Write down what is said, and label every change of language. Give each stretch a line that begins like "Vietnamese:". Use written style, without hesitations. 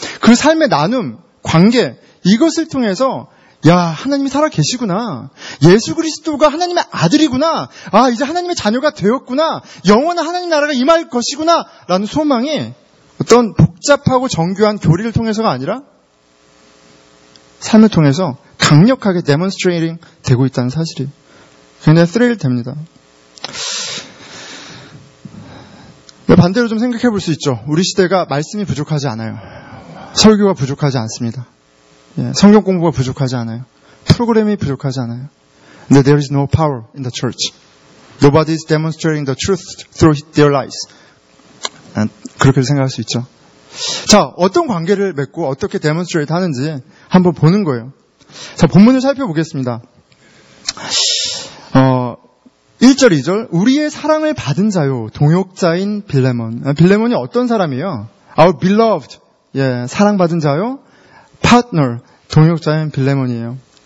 Korean: 그 삶의 나눔, 관계 이것을 통해서 야 하나님이 살아 계시구나, 예수 그리스도가 하나님의 아들이구나, 아 이제 하나님의 자녀가 되었구나, 영원한 하나님 나라가 임할 것이구나라는 소망이 어떤 복잡하고 정교한 교리를 통해서가 아니라 삶을 통해서 강력하게 demonstrating 되고 있다는 사실이 굉장히 thrill 됩니다. 반대로 좀 생각해 볼 수 있죠. 우리 시대가 말씀이 부족하지 않아요. 설교가 부족하지 않습니다. 성경 공부가 부족하지 않아요. 프로그램이 부족하지 않아요.
English: There is no power in the church. Nobody is demonstrating the truth through their lives.
Korean: 그렇게 생각할 수 있죠. 자, 어떤 관계를 맺고 어떻게 demonstrate 하는지 한번 보는 거예요. 자, 본문을 살펴보겠습니다. 1절, 2절, 우리의 사랑을 받은 자요, 동역자인 빌레몬. 빌레몬이 어떤 사람이에요?
English: Our beloved,
Korean: 예, 사랑받은 자요, partner, 동역자인 빌레몬이에요.